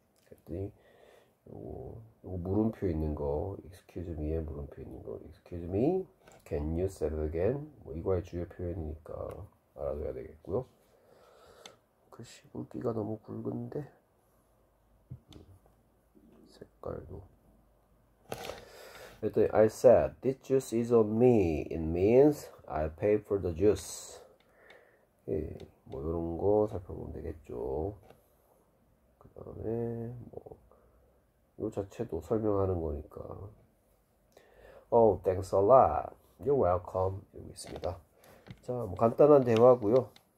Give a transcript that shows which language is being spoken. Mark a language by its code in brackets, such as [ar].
[ko] 그랬더니 요거 물음표 있는 거. [en] Excuse me에 [ko] 물음표 있는 거. [en] Excuse me. Can you say it again? [ko] 뭐 이거의 주요 표현이니까 알아둬야 되겠고요. 글씨 굵기가 너무 굵은데 색깔도. [en] 그랬더니 I said, this juice is on me. It means I pay for the juice. [ko] 예, 뭐 이런 거 살펴보면 되겠죠. 그다음에 뭐요 자체도 설명하는 거니까. [en] Oh, thanks a lot. You're welcome. [ko] 여기 있습니다. 자, 뭐 간단한 대화고요.